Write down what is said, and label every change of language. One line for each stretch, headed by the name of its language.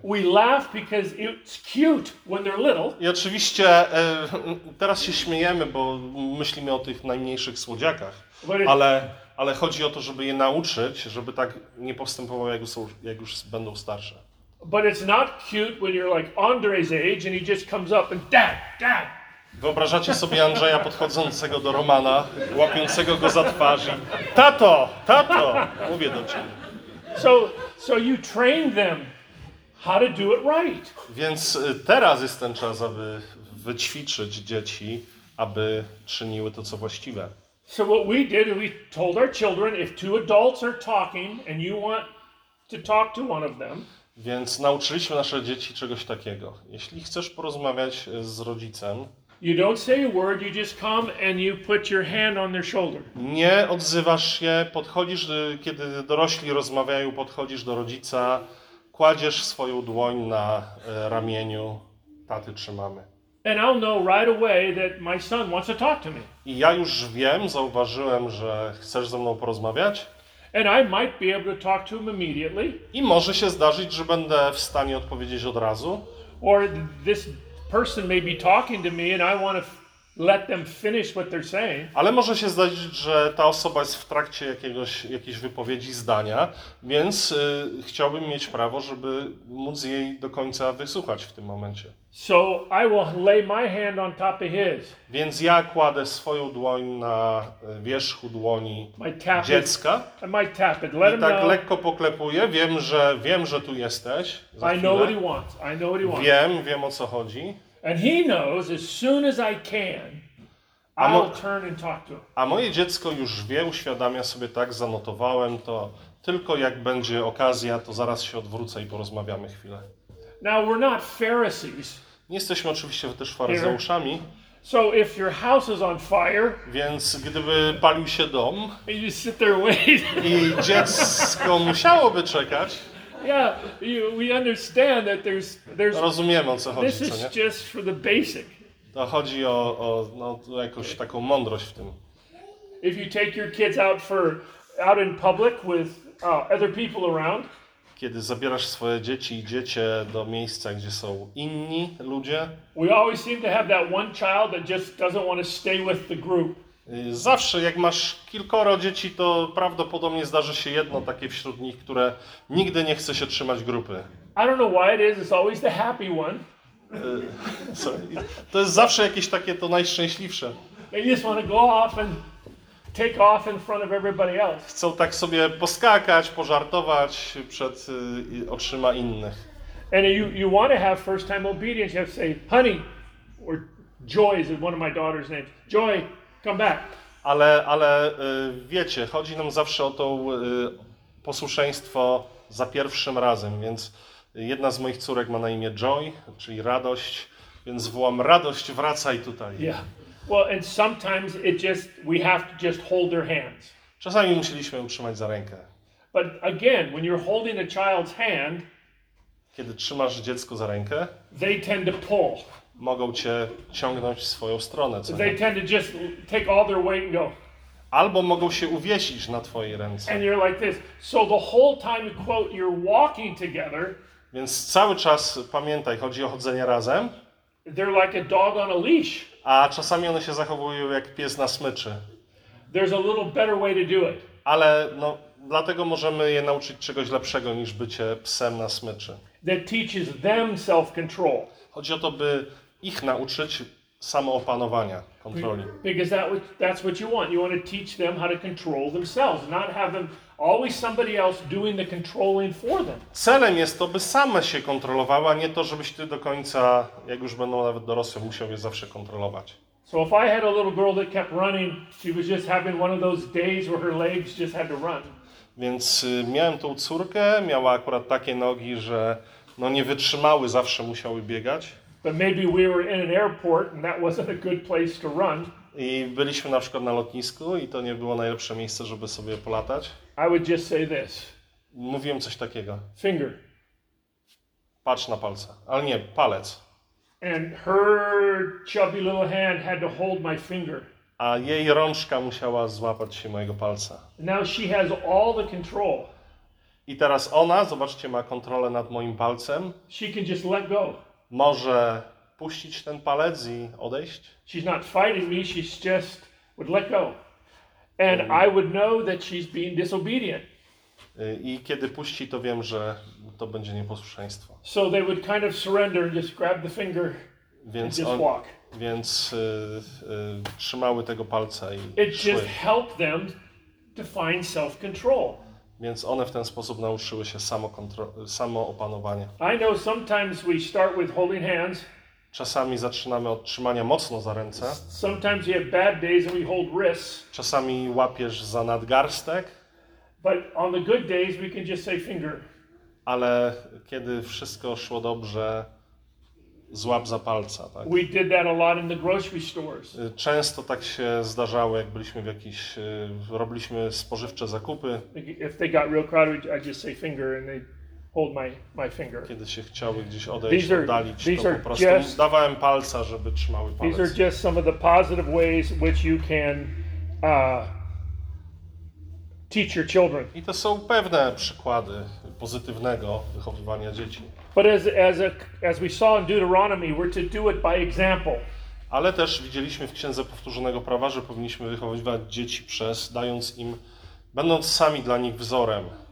English: We laugh because it's cute when they're little.
Polish: I oczywiście teraz się śmiejemy, bo myślimy o tych najmniejszych słodziakach, ale chodzi o to, żeby je nauczyć, żeby tak nie postępowały, jak już będą starsze.
English: But it's not cute when you're like Andre's age and he just comes up and dad.
Polish: Wyobrażacie sobie Andrzeja podchodzącego do Romana, łapiącego go za twarz i tato, tato, mówię do ciebie.
English: So you train them how to do it right.
Polish: Więc teraz jest ten czas, aby wyćwiczyć dzieci, aby czyniły to, co właściwe.
English: So what we did, we told our children, if two adults are talking and you want to talk to one of them.
Polish: Więc nauczyliśmy nasze dzieci czegoś takiego. Jeśli chcesz porozmawiać z rodzicem,
English: you don't say a word, you just come and you put your hand on their shoulder.
Polish: Nie odzywasz się, podchodzisz, kiedy dorośli rozmawiają, podchodzisz do rodzica, kładziesz swoją dłoń na ramieniu taty czy mamy.
English: And I'll know right away that my son wants to talk to me.
Polish: I ja już wiem, zauważyłem, że chcesz ze mną porozmawiać.
English: And I might be able to talk to him immediately.
Polish: I może się zdarzyć, że będę w stanie odpowiedzieć od razu.
English: Or this person may be talking to me and I want to let them finish what they're saying.
Polish: Ale może się zdarzyć, że ta osoba jest w trakcie jakiejś wypowiedzi zdania, więc chciałbym mieć prawo, żeby móc jej do końca wysłuchać w tym momencie.
English: So I will lay my hand on top of his.
Polish: Więc ja kładę swoją dłoń na wierzchu dłoni dziecka.
English: I might tap it. Let
Polish: I tak
English: know.
Polish: Lekko poklepuję. Wiem, że tu jesteś.
English: I know what he wants. I know what he wants.
Polish: Wiem o co chodzi.
English: And he knows as soon as I can, I'll turn and talk to him.
Polish: A moje dziecko już wie, uświadamia sobie tak, zanotowałem to. Tylko jak będzie okazja, to zaraz się odwrócę i porozmawiamy chwilę.
English: Now we're not Pharisees.
Polish: Nie jesteśmy oczywiście też faryzeuszami.
English: So if your house is on fire,
Polish: więc gdyby palił się dom,
English: and you sit there wait.
Polish: I dziecko musiałoby czekać.
English: Yeah, we understand that there's
Polish: rozumiemy, o co chodzi,
English: this is just for the basic.
Polish: To chodzi o no, jakąś taką mądrość w tym.
English: If you take your kids out in public with other people around,
Polish: kiedy zabierasz swoje dzieci i dziecię do miejsca, gdzie są inni ludzie.
English: We always seem to have that one child that just doesn't want to stay with the group.
Polish: Zawsze, jak masz kilkoro dzieci, to prawdopodobnie zdarzy się jedno takie wśród nich, które nigdy nie chce się trzymać grupy.
English: I don't know why it is, it's always the happy one.
Polish: To jest zawsze jakieś takie to najszczęśliwsze.
English: They just want to go off and take off in front of everybody else.
Polish: Chcą tak sobie poskakać, pożartować przed oczyma innych.
English: And you want to have first time obedience. You have to say, honey, or Joy is one of my daughter's names. Joy, come back.
Polish: Ale wiecie, chodzi nam zawsze o to posłuszeństwo za pierwszym razem, więc jedna z moich córek ma na imię Joy, czyli radość, więc wołam radość, wracaj tutaj.
English: Yeah. Well, and sometimes we have to just hold their hands.
Polish: Czasami musieliśmy utrzymać za rękę.
English: But again, when you're holding a child's hand,
Polish: kiedy trzymasz dziecko za rękę,
English: they tend to pull.
Polish: Mogą cię ciągnąć w swoją stronę. Co
English: they tend to just take all their weight and go.
Polish: Albo mogą się uwiesić na twojej ręce.
English: And you're like this. So the whole time, quote, you're walking together.
Polish: Więc cały czas pamiętaj, chodzi o chodzenie razem.
English: They're like a dog on a leash.
Polish: A czasami one się zachowują jak pies na smyczy.
English: There's a little better way to do it.
Polish: Ale no, dlatego możemy je nauczyć czegoś lepszego niż bycie psem na smyczy.
English: That teaches them self-control.
Polish: Chodzi o to, by ich nauczyć samoopanowania, kontroli.
English: Because that's what you want. You want to teach them how to control themselves, not have them always somebody else doing the controlling for them.
Polish: Celem jest to, by same się kontrolowały, a nie to, żebyś ty do końca, jak już będą nawet dorosłe, musiał je zawsze kontrolować.
English: So if I had a little girl that kept running, she was just having one of those days where her legs just had to run.
Polish: Więc miałem tą córkę, miała akurat takie nogi, że no nie wytrzymały, zawsze musiały biegać.
English: But maybe we were in an airport and that wasn't a good place to run.
Polish: I byliśmy na przykład na lotnisku i to nie było najlepsze miejsce, żeby sobie polatać.
English: I would just say this.
Polish: Mówiłem coś takiego.
English: Finger.
Polish: Patrz na palce. Ale nie, palec.
English: And her chubby little hand had to hold my finger.
Polish: A jej rączka musiała złapać się mojego palca.
English: Now she has all the control.
Polish: I teraz ona, zobaczcie, ma kontrolę nad moim palcem.
English: She can just let go.
Polish: Może puścić ten palec i odejść?
English: She's not fighting me, she's just would let go. And I would know that she's being disobedient.
Polish: I kiedy puści, to wiem, że to będzie nieposłuszeństwo.
English: So they would kind of surrender and just grab the finger
Polish: więc
English: and just walk.
Polish: Więc trzymały tego palca i
English: it
Polish: szły.
English: Just helped them to find self-control.
Polish: Więc one w ten sposób nauczyły się samoopanowania.
English: I know sometimes we start with holding hands.
Polish: Czasami zaczynamy od trzymania mocno za ręce.
English: Sometimes you have bad days and we hold wrists.
Polish: Czasami łapiesz za nadgarstek.
English: But on the good days we can just say finger.
Polish: Ale kiedy wszystko szło dobrze, złap za palca, tak?
English: We did that a lot in the grocery stores.
Polish: Często tak się zdarzało, jak byliśmy w jakiś, robiliśmy spożywcze zakupy.
English: If they got real crowded, I just say finger and they hold my finger.
Polish: Kiedy się chciały gdzieś odejść, oddalić, to po prostu dawałem palca, żeby trzymały palec.
English: These are just some of the positive ways which you can teach your children.
Polish: I to są pewne przykłady pozytywnego wychowywania dzieci.
English: But as we saw in Deuteronomy, we're to do it by example.
Polish: Ale też widzieliśmy w Księdze Powtórzonego Prawa, że powinniśmy wychowywać dzieci przez dając im, będąc sami dla nich wzorem.